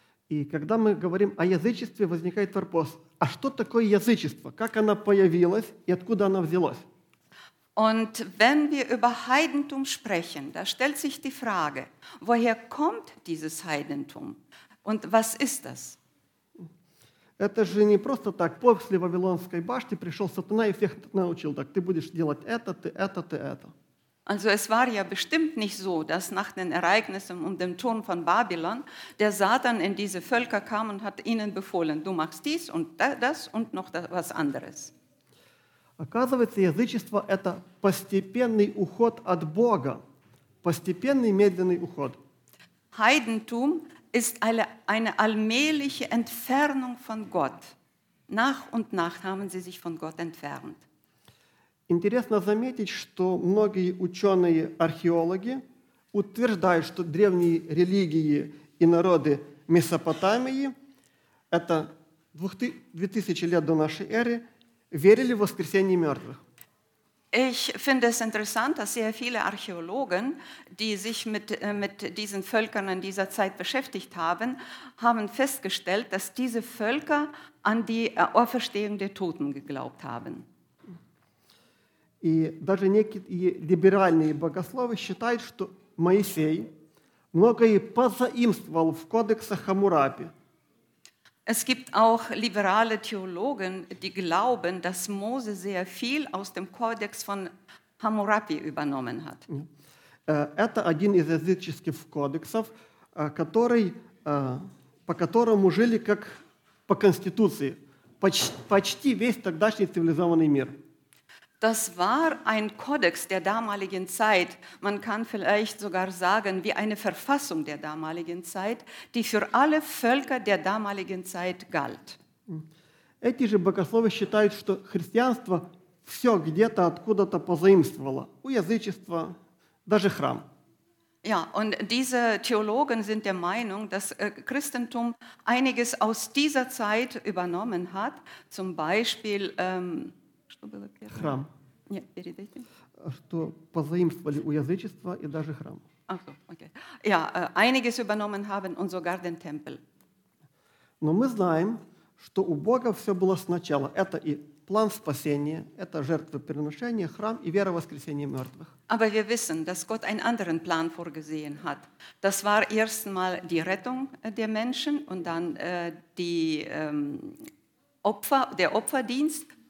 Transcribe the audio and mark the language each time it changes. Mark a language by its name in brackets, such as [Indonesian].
[Russian] И когда мы говорим о язычестве, возникает вопрос: а что такое язычество? Как оно появилось и откуда оно взялось? [German] Und wenn wir über Heidentum sprechen, da stellt sich die Frage, woher kommt dieses Heidentum und was ist das? [Russian] Это же не просто так. После Вавилонской башни пришел Сатана и всех научил так. Ты будешь делать это, ты это, ты это. [German] Also es war ja bestimmt nicht so, dass nach den Ereignissen um den Turm von Babylon der Satan in diese Völker kam und hat ihnen befohlen, du machst dies und das und noch was anderes. [Russian] Оказывается, язычество – это постепенный уход от Бога. Постепенный, медленный уход. [German] Heidentum ist eine allmähliche Entfernung von Gott. Nach und nach haben sie sich von Gott entfernt. [Russian] Интересно заметить, что многие ученые-археологи утверждают, что древние религии и народы Месопотамии – это 2000 лет до нашей эры верили в воскресение мертвых. [German] Ich finde es interessant, dass sehr viele Archäologen, die sich mit diesen Völkern in dieser Zeit beschäftigt haben, haben festgestellt, dass diese Völker an die Auferstehung der Toten geglaubt haben. [Russian] И даже некие либеральные богословы считают, что Моисей многое позаимствовал в кодексах Хаммурапи. [German] Es gibt auch liberale Theologen, die glauben, dass Mose sehr viel aus dem Kodex von Hammurapi übernommen hat. [Russian] Это один из языческих кодексов, который, по которому жили как по конституции почти весь тогдашний цивилизованный мир. [German] Das war ein Kodex der damaligen Zeit. Man kann vielleicht sogar sagen, wie eine Verfassung der damaligen Zeit, die für alle Völker der damaligen Zeit galt. [Russian] Эти же богословы считают, что христианство все где-то откуда-то позаимствовало. У язычества даже храм. [German] Ja, und diese Theologen sind der Meinung, dass Christentum einiges aus dieser Zeit übernommen hat, zum Beispiel... [Russian] Храм. Нет, перед этим. Что позаимствовали у язычества и даже храм. [German] Okay. Ja, einiges übernommen haben und sogar den Tempel. [Russian] Но мы знаем, что у Бога все было сначала. Это и план спасения, это жертвоприношение, храм и вера в воскресение мертвых. [German] Aber wir wissen, dass Gott einen anderen Plan vorgesehen hat. Das war erstmal die Rettung der Menschen und dann die Opfer, der Opferdienst.